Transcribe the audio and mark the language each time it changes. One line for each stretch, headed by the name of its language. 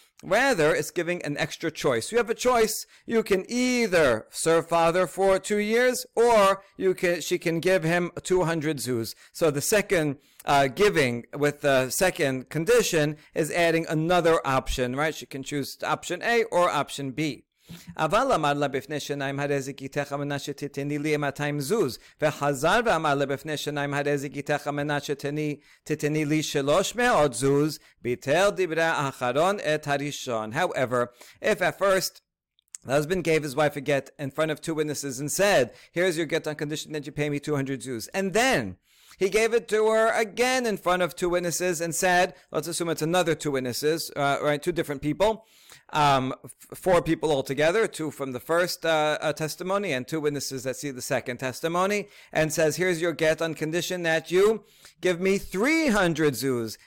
English: Rather, it's giving an extra choice. You have a choice. You can either serve father for 2 years, or she can give him 200 zuz. So the second giving with the second condition is adding another option, right? She can choose option A or option B.
Hebrew: אבל אמר לה בפני שניים הרי זה גיתך המנה שתתני לי 200 זוז וחזר ואמר לה בפני שניים הרי זה גיתך המנה שתתני לי 300 זוז ביטל דיברה האחרון את הראשון.
English: However, if at first the husband gave his wife a get in front of two witnesses and said, here's your get on condition that you pay me 200 zuz. And then he gave it to her again in front of two witnesses and said, let's assume it's another two witnesses, right? Two different people, four people altogether, two from the first testimony and two witnesses that see the second testimony, and says, here's your get on condition that you give me 300 zuz.